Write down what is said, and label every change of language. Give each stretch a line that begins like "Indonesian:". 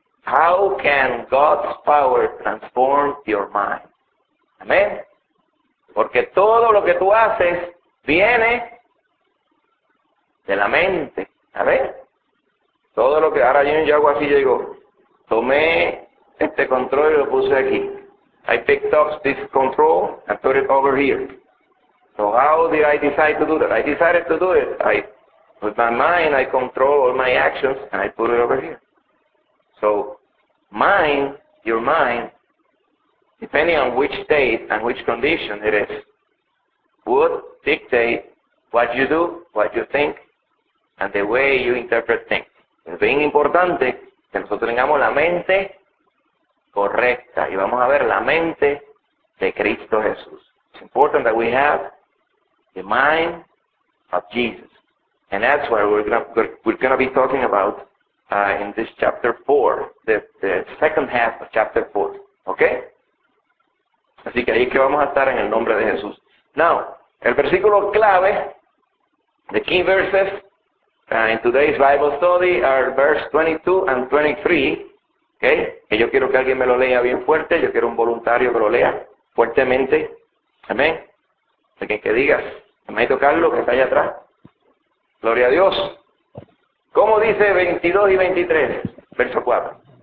English: How can God's power transform your mind? Amén.
Spanish: Porque todo lo que tú haces viene de la mente. A ver. Todo lo que ahora yo hago así, yo digo, tomé este control y lo puse aquí.
English: I picked up this control and put it over here. So how did I decide to do that? I decided to do it. With my mind, I control all my actions and I put it over here. So, mind, your mind, depending on which state and which condition it is, would dictate what you do, what you think, and the way you interpret things.
Spanish: Es bien importante que nosotros tengamos la mente correcta. Y vamos a ver la mente de Cristo Jesús.
English: It's important that we have the mind of Jesus. And that's what we're going to be talking about in this chapter 4, the second half of chapter 4. Okay?
Spanish: Así que ahí es que vamos a estar en el nombre de Jesús.
English: Now,
Spanish: el versículo clave,
English: the key verses, in today's Bible study are verse 22 and 23, okay?
Spanish: Que yo quiero que alguien me lo lea bien fuerte, yo quiero un voluntario que lo lea fuertemente, amén. Alguien que diga, me hay tocarlo, que está allá atrás. Gloria a Dios. ¿Cómo dice 22 y 23, verso 4?